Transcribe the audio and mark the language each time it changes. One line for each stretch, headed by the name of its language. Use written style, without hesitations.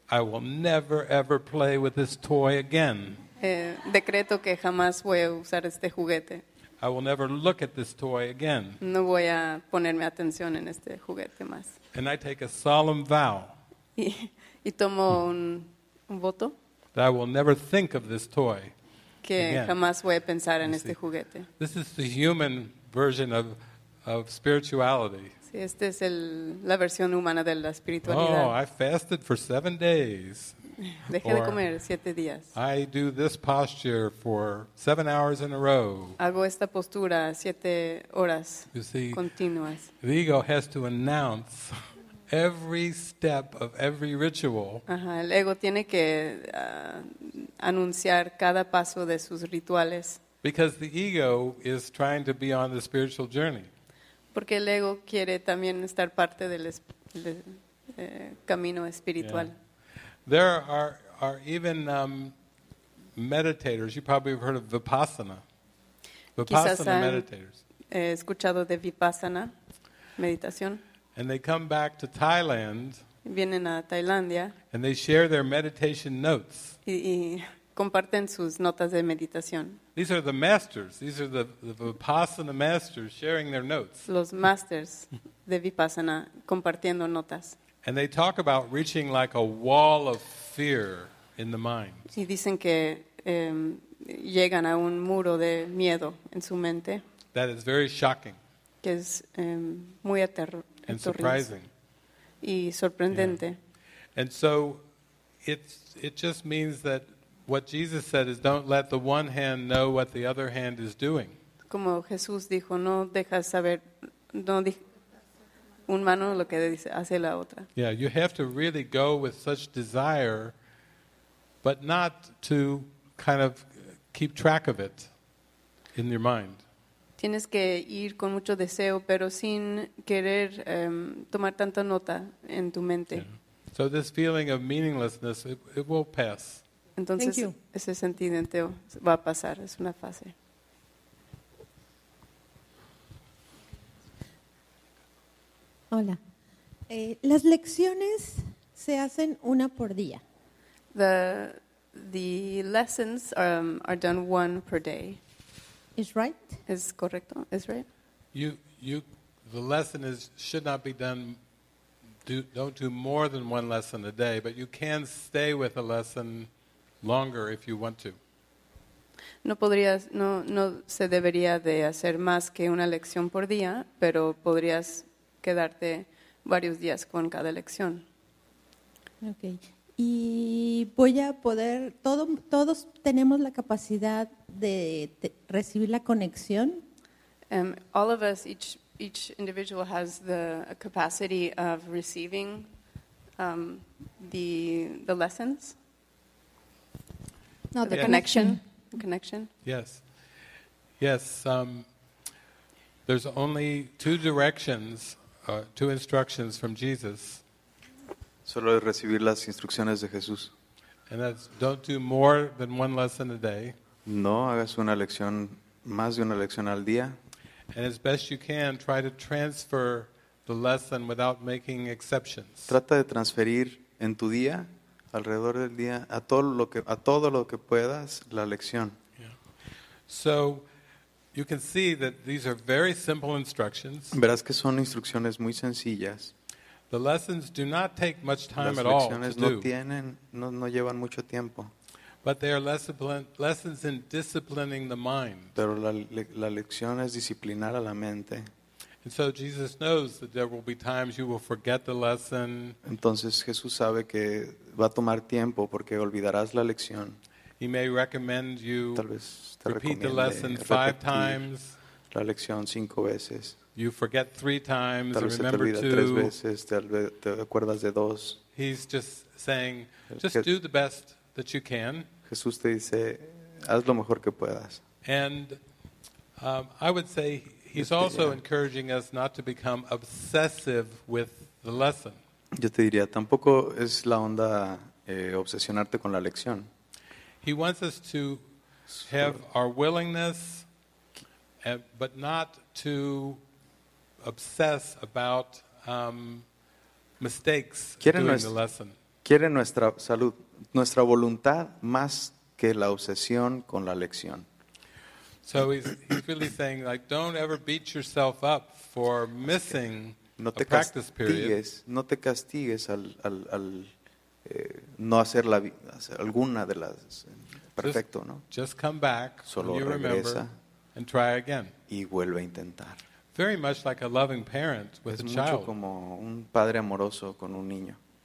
English: I will never ever play with this toy again.
Spanish: Decreto que jamás voy a usar este juguete.
English: I will never look at this toy again.
Spanish: No voy a ponerme atención en este juguete más.
English: And I take a solemn vow.
Spanish: Y tomo un voto.
English: That I will never think of this toy.
Spanish: Que
English: again.
Spanish: Jamás voy a pensar en este juguete.
English: This is the human version of spirituality.
Spanish: Sí, esta es la versión humana de la espiritualidad.
English: Oh, I fasted for 7 days.
Spanish: Dejé de comer 7 días.
English: I do this posture for 7 hours in a row.
Spanish: Hago esta postura 7 horas continuas.
English: The ego has to announce every step of every ritual.
Spanish: Ajá, el ego tiene que anunciar cada paso de sus rituales.
English: Because the ego is trying to be on the spiritual journey.
Spanish: Porque el ego quiere también estar parte del camino espiritual.
English: Yeah. There are even meditators. You probably have heard of Vipassana. Vipassana meditators.
Spanish: He escuchado de Vipassana, meditación.
English: And they come back to Thailand.
Spanish: Vienen a Tailandia.
English: And they share their meditation notes.
Spanish: Y comparten sus notas de meditación.
English: These are the masters. These are the Vipassana masters sharing their notes.
Spanish: Los masters de Vipassana compartiendo notas.
English: And they talk about reaching like a wall of fear in the mind.
Spanish: Y dicen que llegan a un muro de miedo en su mente.
English: That is very shocking.
Spanish: Que es muy aterrador.
English: And surprising.
Spanish: Y sorprendente. Yeah.
English: And so it just means that what Jesus said is don't let the one hand know what the other hand is doing.
Spanish: Como Jesús dijo, no dejas saber, no dejas. Un mano lo que dice, hace la otra.
English: Yeah, you have to really go with such desire, but not to kind of keep track of it in your mind.
Spanish: Tienes que ir con mucho deseo, pero sin querer tomar tanta nota en tu mente.
English: Yeah. So this feeling of meaninglessness, it will pass.
Spanish: Entonces, ese sentimiento va a pasar, es una fase. Hola. Las lecciones se hacen una por día.
English: The lessons are done one per day. Is right?
Spanish: Es correcto.
English: Is right? The lesson is should not be done. Don't do more than one lesson a day, but you can stay with a lesson longer if you want to.
Spanish: No se debería de hacer más que una lección por día, pero podrías quedarte varios días con cada lección. Okay. Y voy a poder, todos tenemos la capacidad de recibir la conexión.
English: All of us, each individual has the capacity of receiving the lessons. No, the connection. Yes. There's only two directions, two instructions from Jesus.
Spanish: Solo es recibir las instrucciones de Jesús.
English: And that's don't do more than one lesson a day.
Spanish: No hagas una lección, más de una lección al día.
English: And as best you can, try to transfer the lesson without making exceptions.
Spanish: Trata de transferir en tu día, alrededor del día, a todo lo que puedas, la lección.
English: Yeah. So you can see that these are very simple instructions.
Spanish: Verás que son instrucciones muy sencillas.
English: The lessons do not take much time at all to do.
Spanish: Las lecciones no llevan mucho tiempo.
English: But they are lessons in disciplining the mind.
Spanish: Pero la lección es disciplinar a la mente.
English: And so Jesus knows that there will be times you will forget the lesson.
Spanish: Entonces Jesús sabe que va a tomar tiempo porque olvidarás la lección.
English: He may recommend you repeat the lesson
Spanish: repetir
English: 5 times.
Spanish: La lección 5 veces.
English: You forget 3 times and remember 2.
Spanish: Tal vez se te olvida 3 veces, te acuerdas de 2.
English: He's just saying, just do the best that you can.
Spanish: Jesús te dice, haz lo mejor que puedas.
English: And I would say he's also encouraging us not to become obsessive with the lesson.
Spanish: Yo te diría, tampoco es la onda obsesionarte con la lección.
English: He wants us to have our willingness, but not to obsess about mistakes during the lesson.
Spanish: Quiere nuestra salud, nuestra voluntad más que la obsesión con la lección.
English: So he's really saying, like, don't ever beat yourself up for missing a practice period.
Spanish: No te castigues al no hacer la alguna de las. Perfecto, ¿no?
English: Just come back
Spanish: solo
English: when you remember and try again.
Spanish: Y vuelve a intentar.
English: Very much like a loving parent with
Spanish: es
English: a child.
Spanish: Mucho como un padre amoroso con un niño.